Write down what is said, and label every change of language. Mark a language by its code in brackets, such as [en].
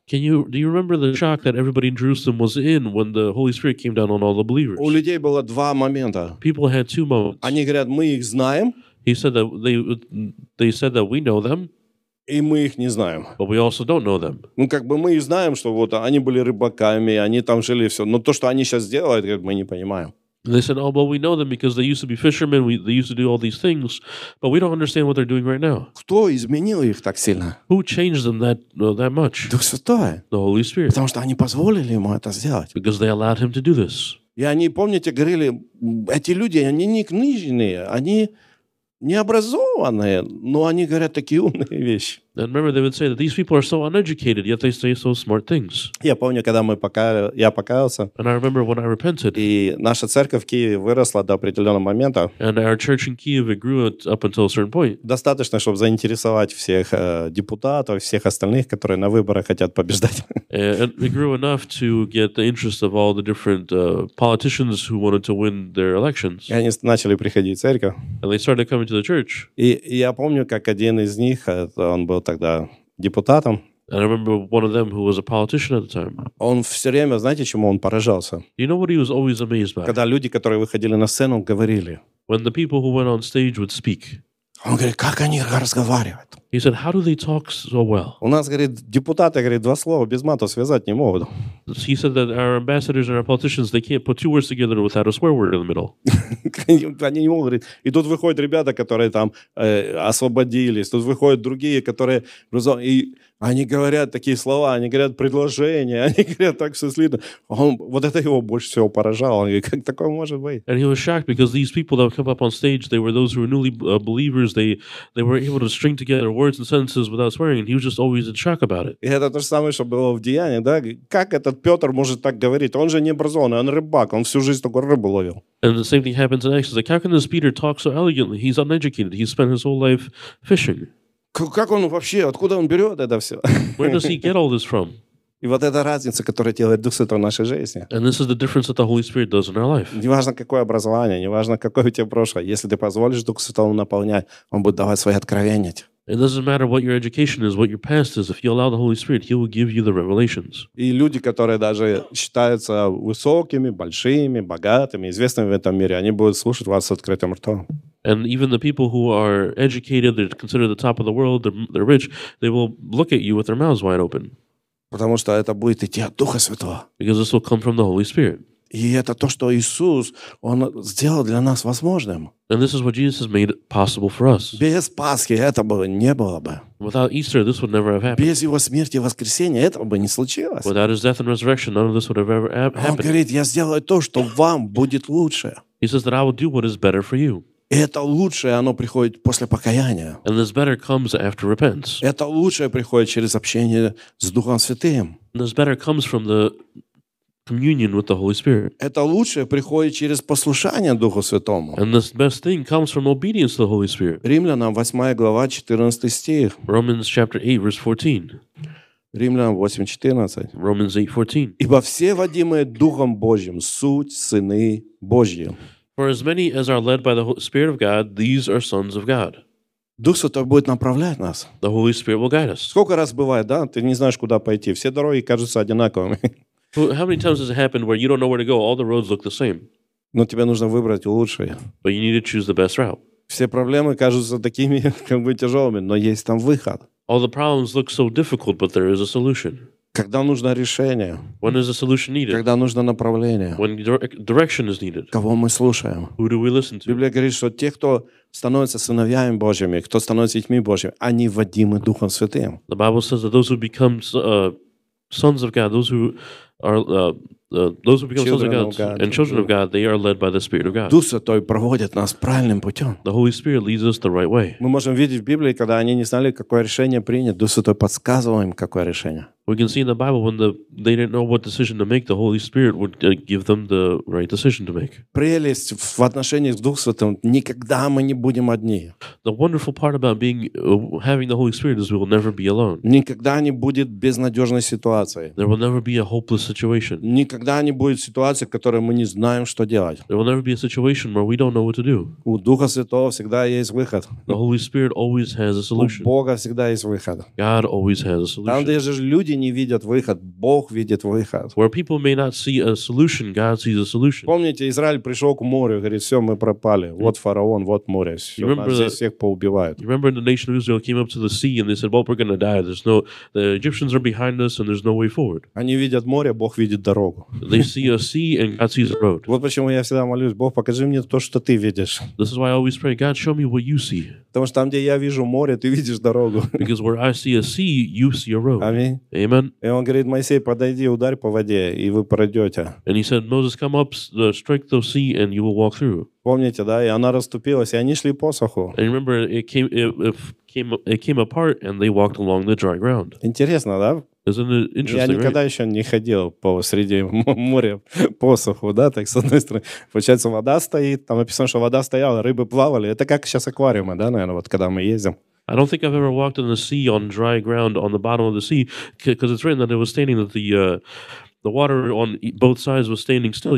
[en] Do you remember the shock that everybody in Jerusalem was in when the Holy Spirit came down on all the believers? [ru] У людей было два момента. [en] People had two moments. [ru] Они говорят, мы их знаем. [en] He said that they said that we know them. [ru] И мы их не знаем. [en] But we also don't know them. [ru] Ну, как бы мы и знаем, что вот они были рыбаками, они там жили все. Но то, что они сейчас делают, мы не понимаем. [en] They said, oh, well, we know them because they used to be fishermen, they used to do all these things, but we don't understand what they're doing right now. [ru] Кто изменил их так сильно? [en] Who changed them that much? [ru] Дух Святой. [en] The Holy Spirit. [ru] Потому что они позволили ему это сделать. [en] Because they allowed him to do this. [ru] И они, помните, говорили, эти люди, они не книжные, они не образованные, но они говорят такие умные вещи. [en] And remember, they would say that these people are so uneducated, yet they say so smart things. [ru] Я помню, когда я покаялся. [en] And I remember when I repented. [ru] И наша церковь в Киеве выросла до определенного момента. [en] And our church in Kiev grew up until a certain point. [ru] Достаточно, чтобы заинтересовать всех депутатов, всех остальных, которые на выборах хотят побеждать. [en] And it grew enough to get the interest of all the different politicians who wanted to win their elections. [ru] И они начали приходить в церковь. [en] And they started coming to the church. [ru] И я помню, как один из них, он был тогда депутатом. [en] I remember one of them who was a politician at the time. [ru] Он все время, знаете, чему он поражался? [en] You know what he was always amazed by? [ru] Когда люди, которые выходили на сцену, говорили. [en] When the people who went on stage would speak. [ru] Он говорит, как они разговаривают? [en] He said, how do they talk so well? [ru] У нас, говорит, депутаты, говорит, два слова без мата связать не могут. [en] He said that our ambassadors and our politicians, they can't put two words together without a swear word in the middle. [ru] Они не могут, говорит. И тут выходят ребята, которые там освободились. Тут выходят другие, которые... И они говорят такие слова, они говорят предложения, они говорят так все слитно. Вот это его больше всего поражало. Он говорит, как такое может быть? [en] And he was shocked because these people that come up on stage, they were those who were newly believers. They were able to string together their words and sentences without swearing, and he was just always in shock about it. [ru] И это то же самое, что было в Деяниях, да? Как этот Петр может так говорить? Он же не образованный, он рыбак, он всю жизнь только рыбу ловил. [en] And the same thing happens in Acts. Like, how can this Peter talk so elegantly? He's uneducated. He spent his whole life fishing. [ru] Как он вообще, откуда он берет это все? [en] Where does he get all this from? [ru] И вот это разница, которую делает Дух Святой в нашей жизни. [en] And this is the difference that the Holy Spirit does in our life. [ru] Неважно, какое образование, неважно, какое у тебя прошлое, если ты позволишь Духу Святому наполнять, он будет давать свои откровения. [en] It doesn't matter what your education is, what your past is. If you allow the Holy Spirit, He will give you the revelations. [ru] И люди, которые даже считаются высокими, большими, богатыми, известными в этом мире, они будут слушать вас с открытым ртом. [en] And even the people who are educated, they're considered the top of the world, they're rich, they will look at you with their mouths wide open. [ru] Потому что это будет идти от Духа Святого. [en] Because this will come from the Holy Spirit. [ru] И это то, что Иисус, Он сделал для нас возможным. [en] And this is what Jesus has made possible for us. [ru] Без Пасхи это бы не было бы. [en] Without Easter, this would never have happened. [ru] Без Его смерти и воскресения этого бы не случилось. [en] Without His death and resurrection, none of this would have ever happened. [ru] Он говорит, я сделаю то, что вам будет лучше. [en] He says that I will do what is better for you. [ru] И это лучшее, оно приходит после покаяния. [en] And this better comes after repentance. [ru] Это лучшее приходит через общение с Духом Святым. [en] This better comes from the communion with the Holy Spirit. [ru] Это лучшее приходит через послушание Духу Святому. [en] And this best thing comes from obedience to the Holy Spirit. [ru] Римлянам 8 глава 14 стих. [en] Romans chapter 8 verse 14. [ru] Римлянам 8:14. [en] Romans 8:14. [ru] Ибо все водимые Духом Божьим суть сыны Божьи. [en] For as many as are led by the Spirit of God, these are sons of God. [ru] Дух Святой будет направлять нас. [en] The Holy Spirit will guide us. [ru] Сколько раз бывает, да, ты не знаешь, куда пойти. Все дороги кажутся одинаковыми. [en] How many times has it happened where you don't know where to go? All the roads look the same. [ru] Но тебе нужно выбрать лучшее. [en] But you need to choose the best route. [ru] Все проблемы кажутся такими, как бы тяжелыми, но есть там выход. [en] All the problems look so difficult, but there is a solution. [ru] Когда нужно решение? [en] When is a solution needed? [ru] Когда нужно направление? [en] When direction is needed? [ru] Кого мы слушаем? [en] Who do we listen to? [ru] Библия говорит, что те, кто становятся сыновьями Божьими, кто становится детьми Божьими, они водимы Духом Святым. [en] The Bible says that those who become sons of God, those who are those who become children sons of God, and children of God, they are led by the Spirit of God. [ru] Дух Святой проводит нас правильным путем. [en] The Holy Spirit leads us the right way. [ru] Мы можем видеть в Библии, когда они не знали, какое решение принять, Дух Святой подсказывал им, какое решение. [en] We can see in the Bible when they didn't know what decision to make, the Holy Spirit would give them the right decision to make. [ru] Прелесть в отношении с Духом Святым, никогда мы не будем одни. [en] The wonderful part about being having the Holy Spirit is we will never be alone. [ru] Никогда не будет безнадежной ситуации. [en] There will never be a hopeless situation. [ru] Никогда не будет ситуации, в которой мы не знаем, что делать. [en] There will never be a situation where we don't know what to do. [ru] У Духа Святого всегда есть выход. [en] The Holy Spirit always has a solution. [ru] У Бога всегда есть выход. [en] God always has a solution. [ru] Там, где же люди не видят выход, Бог видит выход. [en] Where people may not see a solution, God sees a solution. [ru] Помните, Израиль пришел к морю, говорит, все, мы пропали. Вот фараон, вот море. Все, [en] remember [ru] нас здесь всех поубивают. [en] You remember the nation of Israel came up to the sea and they said, well, we're going to die. There's no, the Egyptians are behind us and there's no way forward. [ru] Они видят море, Бог видит дорогу. [en] They see a sea and God sees a road. [ru] Вот почему я всегда молюсь, Бог, покажи мне то, что ты видишь. [en] This is why I always pray, God, show me what you see. [ru] Потому что там, где я вижу море, ты видишь дорогу. [en] Because where I see a sea, you see a road. [ru] Аминь. [en] Amen. [ru] И он говорит, Моисей, подойди, ударь по воде, и вы пройдете. [en] And he said, Moses, come up, strike the sea, and you will walk through. [ru] Помните, да? И она расступилась, и они шли по суху. [en] And remember, it came apart, and they walked along the dry ground. [ru] Интересно, да? [en] Isn't it interesting, [ru] я никогда [en] right? [ru] еще не ходил по среди моря по суху, да, так с одной стороны. Получается, вода стоит, там написано, что вода стояла, рыбы плавали. Это как сейчас аквариумы, да, наверное, вот когда мы ездим. [en] I don't think I've ever walked in the sea on dry ground on the bottom of the sea, because it's written that it was standing, that the water on both sides was standing still.